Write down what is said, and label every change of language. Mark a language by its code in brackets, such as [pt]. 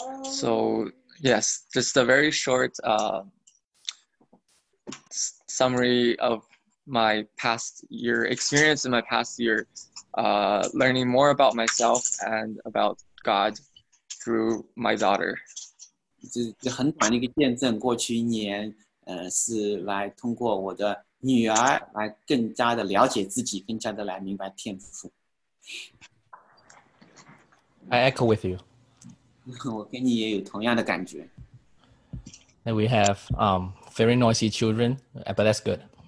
[en] So, yes, just a very short summary of my past year experience in my past year, learning more about myself and about God through my daughter. [zh] 这很短的一个见证，过去一年，是来通过我的 [en] I echo with you. [zh] 我跟你也有同样的感觉。 [en] And we have very noisy children, but that's good.